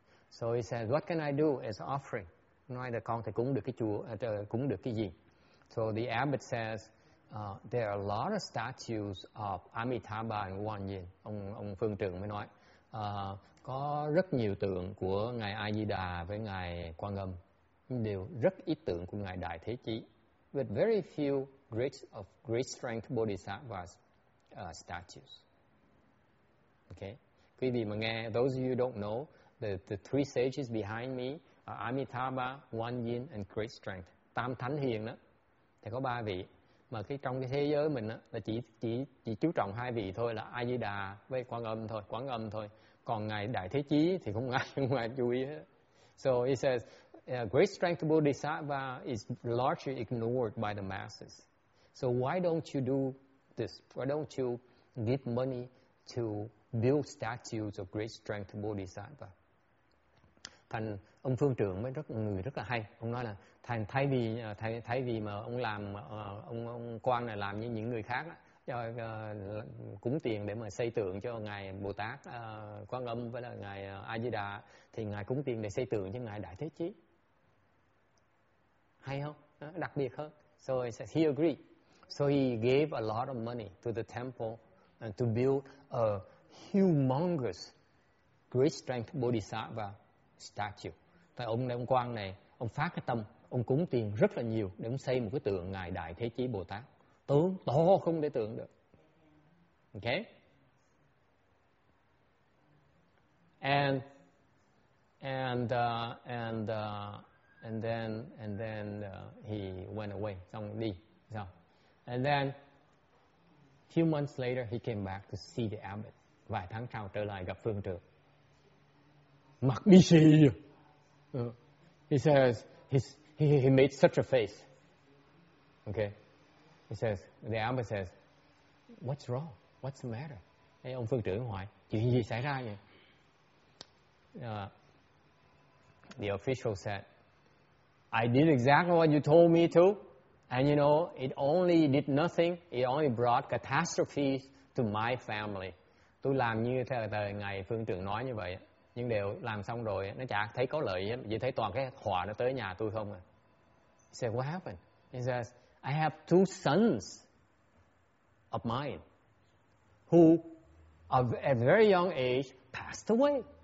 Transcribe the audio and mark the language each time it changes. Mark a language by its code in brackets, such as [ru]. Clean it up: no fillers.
[en] So he said, what can I do as offering? [vi] Nói là con thì cúng được cái chùa, cúng được cái gì? [en] So the abbot says, there are a lot of statues of Amitabha and Wan Yin. [vi] Ông phương trưởng mới nói, có rất nhiều tượng của ngài A Di Đà với ngài Quan Âm, đều rất ít tượng của ngài Đại Thế Chí. [en] With very few great strength bodhisattvas statues. Okay. [vi] Quý vị mà nghe, [en] those of you don't know, the three sages behind me are Amitabha, Wan Yin, and Great Strength. [vi] Tam Thánh Hiền đó, thì có ba vị. Mà cái trong cái thế giới mình đó, là chỉ chú trọng hai vị thôi, là A Di Đà với Quán Âm thôi. Còn ngài Đại Thế Chí thì không ai chú ý hết. [en] So he says, Great Strength Bodhisattva is largely ignored by the masses. So why don't you do this? Why don't you give money to build statues of great strength bodhisattva? [vi] Thành ông phương trưởng mới rất người rất là hay. Ông nói là thay vì mà ông làm ông quan này làm như những người khác cho cúng tiền để mà xây tượng cho ngài Bồ Tát Quan Âm với là ngài A Di Đà, thì ngài cúng tiền để xây tượng cho ngài Đại Thế Chí. Hay không? Đặc biệt hơn. [en] So he says he agreed. So he gave a lot of money to the temple and to build a humongous great strength bodhisattva statue. [vi] Tại ông quan này, ông phát cái tâm, ông cúng tiền rất là nhiều để ông xây một cái tượng ngài Đại Thế Chí Bồ Tát. Tướng to không để tưởng được. [en] Okay? And then he went away, Zhang Di. So, and then few months later he came back to see the abbot. [vi] Vài tháng sau trở lại gặp phương trưởng. Mặt bí xì. [en] He says he made such a face. Okay. He says, the abbot says, "What's wrong? What's the matter?" [vi] Hey, ông phương trưởng hỏi, chuyện gì xảy ra vậy? [en] The official said, "I did exactly what you told me to, and you know, it only did nothing. It only brought catastrophes to my family." [vi] Tôi làm như thế là từ ngày phương trưởng nói như vậy, nhưng đều làm xong rồi, nó chả thấy có lợi gì hết, chỉ thấy toàn cái họa nó tới nhà tôi không à. [en] He said, "What happened?" He says, "I have two sons of mine who, of a very young age, passed away."